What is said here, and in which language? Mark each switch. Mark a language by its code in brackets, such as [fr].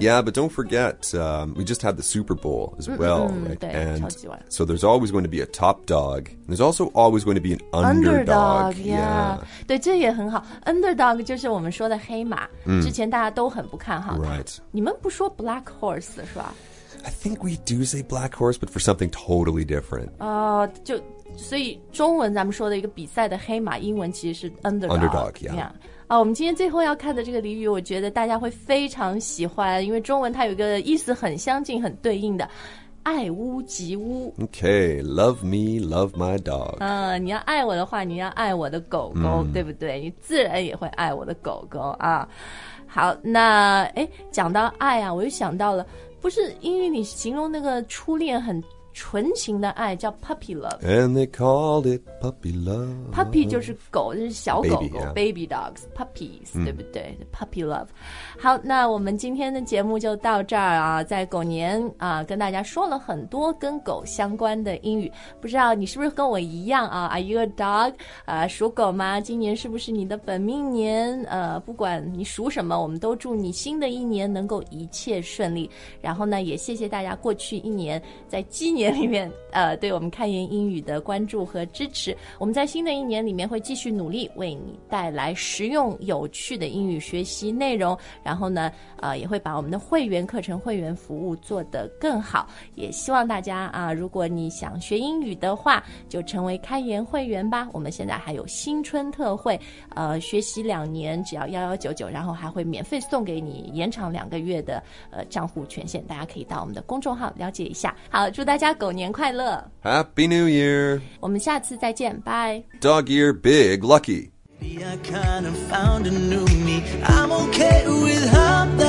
[en] Yeah, but don't forget,、we just had the Super Bowl as well, right? [zh] 对 [en] And [zh] 超级碗 [en] so there's always going to be a top dog. There's also always going to be an underdog. Yeah. [zh] 对，这也很好。 Underdog 就是我们说的黑马、之前大家都很不看好 [en] Right. [zh] 你们不说 black horse, 是吧 [en] I think we do say black horse, but for something totally different. [zh] 就所以中文咱们说的一个比赛的黑马，英文其实是 underdog. [en] Underdog, yeah. Yeah. [zh] 我们今天最后要看的这个俚语，我觉得大家会非常喜欢，因为中文它有一个意思很相近、很对应的，爱屋及乌。 [en] Okay, love me, love my dog. [zh] 你要爱我的话，你要爱我的狗狗，对不对？你自然也会爱我的狗狗啊。好，那讲到爱啊，我又想到了。不是英语里形容那个初恋很纯情的爱叫 puppy love [en] And they called it puppy love [zh] Puppy 就是狗就是小狗狗 [en] Baby,、yeah. baby dogs, puppies,、 [zh] 对不对 Puppy love 好那我们今天的节目就到这儿啊在狗年啊跟大家说了很多跟狗相关的英语不知道你是不是跟我一样啊 [en] Are you a dog? [zh] 属狗吗今年是不是你的本命年不管你属什么我们都祝你新的一年能够一切顺利然后呢也谢谢大家过去一年在今年里面对我们看言英语的关注和支持我们在新的一年里面会继续努力为你带来实用有趣的英语学习内容然后呢也会把我们的会员课程会员服务做得更好也希望大家如果你想学英语的话就成为看言会员吧我们现在还有新春特惠学习两年只要1199然后还会免费送给你延长两个月的账户权限大家可以到我们的公众号了解一下好祝大家狗年快乐 [en] Happy New Year [zh] 我们下次再见 Bye [en] Dog Year Big Lucky Maybe I kind of found a new me I'm okay with how